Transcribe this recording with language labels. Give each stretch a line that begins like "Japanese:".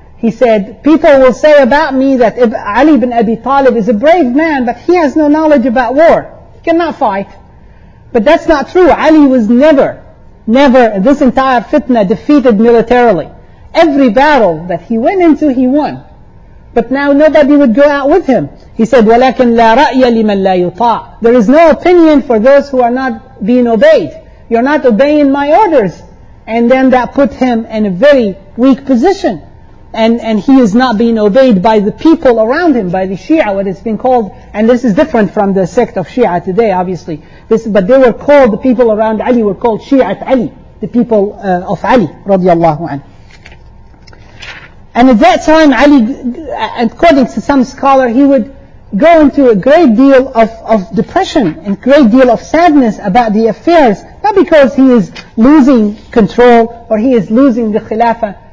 English: He said, people will say about me that Ali ibn Abi Talib is a brave man, but he has no knowledge about war. He cannot fight. But that's not true. Ali was never, this entire fitna, defeated militarily. Every battle that he went into, he won. But now nobody would go out with him. He said,
Arabic: وَلَكِنْ لَا رَأْيَ لِمَنْ لَا يُطَاعُ.
English: There is no opinion for those who are not being obeyed. You're not obeying my orders. And then that put him in a very weak position. And he is not being obeyed by the people around him, by the Shia, what it's been called. And this is different from the sect of Shia today, obviously. But they were called, the people around Ali were called Shi'at Ali, the people of Ali, radiallahu anhu. And at that time, Ali, according to some scholar, he would go into a great deal of depression, and great deal of sadness about the affairs, not because he is losing control, or he is losing the Khilafah.